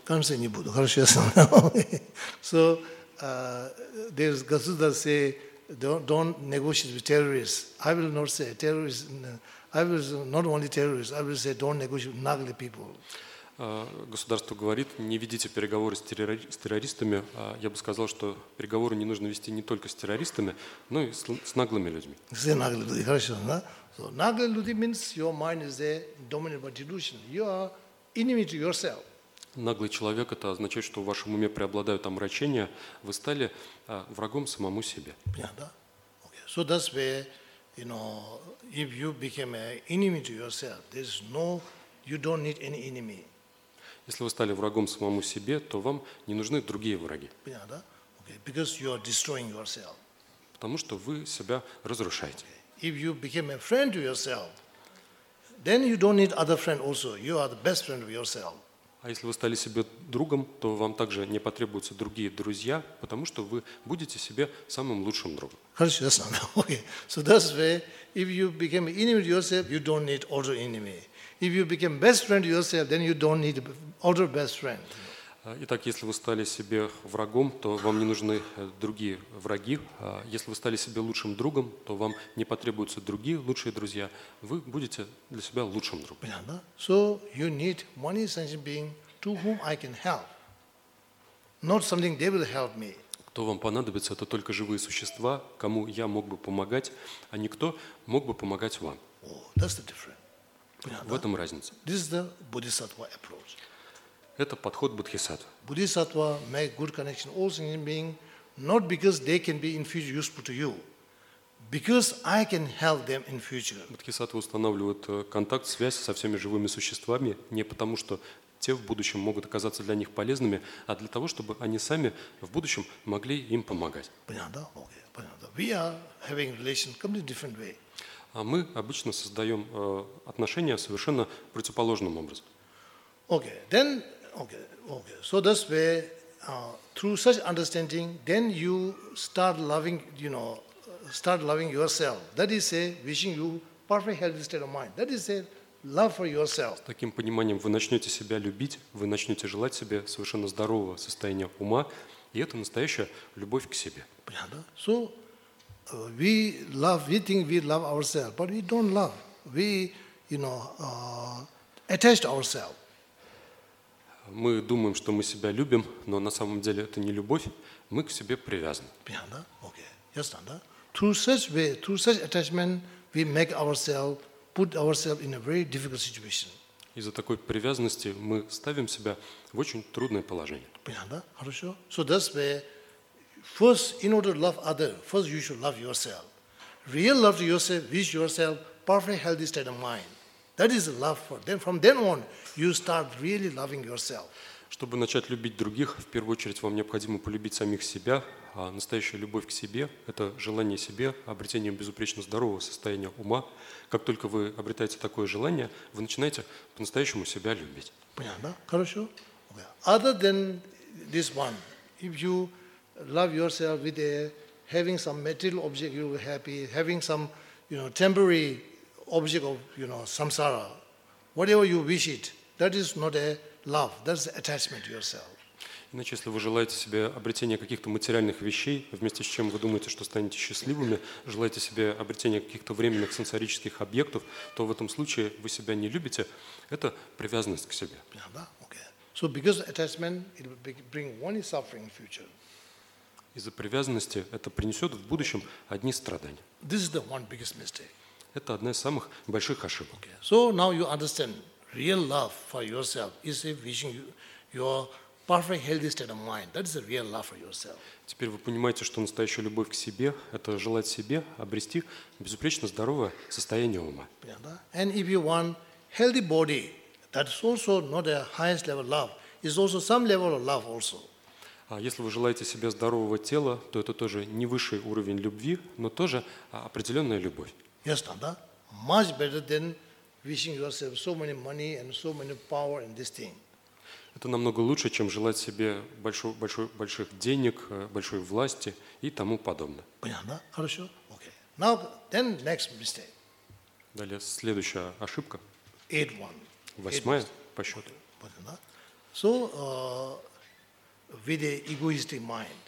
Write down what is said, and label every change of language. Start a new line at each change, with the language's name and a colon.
Russian: Конца не будет. Хорошо, ясно.
English: So there's Gazuda say don't negotiate with terrorists. I will not say terrorists. I will not only terrorists. I will say don't negotiate with
Russian: nagle
English: people.
Russian: Государство говорит, не ведите переговоры с террористами. Я бы сказал, что переговоры не нужно вести не только с террористами, но и с наглыми людьми. Все наглые люди, хорошо, да?
English: So,
Russian: naglые люди
English: means your mind is there, dominated by delusion. You are enemy to yourself.
Russian: Наглый человек – это означает, что в вашем уме преобладают омрачения, вы стали врагом самому себе. Понятно, да?
English: Okay. So that's where, you know, if you became an enemy to yourself, there's no, you don't need any enemy.
Russian: Если вы стали врагом самому себе, то вам не нужны другие враги. Понятно, да?
English: Okay. Because you are destroying yourself.
Russian: Потому что вы себя разрушаете.
English: Okay. If you became a friend to yourself, then you don't need other friend also. You are the best friend of yourself.
Russian: А если вы стали себе другом, то вам также не потребуются другие друзья, потому что вы будете себе самым лучшим другом. Хорошо, ясно.
English: Okay. So that's why if you became an enemy to yourself, you don't need other enemy. If you became best friend to yourself, then you don't need other best friend.
Russian: Итак, если вы стали себе врагом, то вам не нужны другие враги. Если вы стали себе лучшим другом, то вам не потребуются другие лучшие друзья. Вы будете для себя лучшим другом. Понятно?
English: So you need money sentient being to whom I can help. Not something they will help me.
Russian: Кто вам понадобится, это только живые существа, кому я мог бы помогать, а никто мог бы помогать вам.
English: Oh, that's the difference.
Russian: В этом разница.
English: This is the bodhisattva approach.
Russian: Это подход бодхисаттвы.
English: Bodhisattva make good connection all sentient being not because they can be in future useful to you, because I can help them in future.
Russian: Бодхисаттвы устанавливают контакт, связь со всеми живыми существами не потому, что те в будущем могут оказаться для них полезными, а для того, чтобы они сами в будущем могли им помогать. Понятно?
English: Okay.
Russian: Понятно.
English: We are having relation completely different way.
Russian: А мы обычно создаем отношения совершенно противоположным образом.
English: Okay, then, okay. So that's where, through such understanding, then you start loving, you know, start loving yourself. That is a wishing you perfect healthy state of mind. That is a love for yourself.
Russian: С таким пониманием вы начнете себя любить, вы начнете желать себе совершенно здорового состояния ума, и это настоящая любовь к себе. Понятно?
English: So, we love, we think we love ourselves, but we don't love. We, you know, attach to ourselves.
Russian: Мы думаем, что мы себя любим, но на самом деле это не любовь. Мы к себе привязаны. Понятно? Окей. Ясно, да?
English: Through such way, through such attachment, we make ourselves, put ourselves in a very difficult situation.
Russian: Из-за такой привязанности мы ставим себя в очень трудное положение. Понятно? Хорошо.
English: So that's where, first, in order to love other, first you should love yourself. Real love to yourself, wish yourself perfect healthy state of mind. That is love for. Then from then on, you start really loving yourself.
Russian: Чтобы начать любить других, в первую очередь вам необходимо полюбить самих себя. А настоящая любовь к себе – это желание себе, обретение безупречно здорового состояния ума. Как только вы обретаете такое желание, вы начинаете по-настоящему себя любить. Понятно? Хорошо.
English: Other than this one, if you love yourself with having some material object, you will be happy. Having some, you know, temporary object of, you know, samsara, whatever you wish it, that is not a love, that's attachment to yourself.
Russian: Иначе, если вы желаете себе обретения каких-то материальных вещей, вместе с чем вы думаете, что станете счастливыми, желаете себе обретения каких-то временных сенсорических объектов, то в этом случае вы себя не любите. Это привязанность к себе.
English: So because attachment, it will bring only suffering in future.
Russian: Из-за привязанности это принесет в будущем одни страдания.
English: This is the one biggest mistake.
Russian: Это одна из самых больших ошибок.
English: Okay. So now you understand, real love for yourself is a wishing your perfect healthy state of mind. That is a real love for yourself.
Russian: Теперь вы понимаете, что настоящая любовь к себе – это желать себе обрести безупречно здоровое состояние ума. Понятно?
English: And if you want healthy body, that is also not the highest level love. It's also some level of love also.
Russian: А если вы желаете себе здорового тела, то это тоже не высший уровень любви, но тоже определенная любовь.
English: Yes,
Russian: да?
English: Much better than wishing yourself so many money and so many power in this thing.
Russian: Это намного лучше, чем желать себе больших денег, большой власти и тому подобное. Понятно? Хорошо.
English: Okay. Now, then next mistake.
Russian: Далее следующая ошибка.
English: Eight one.
Russian: Восьмая по счету. Понятно?
English: So, with the egoistic mind.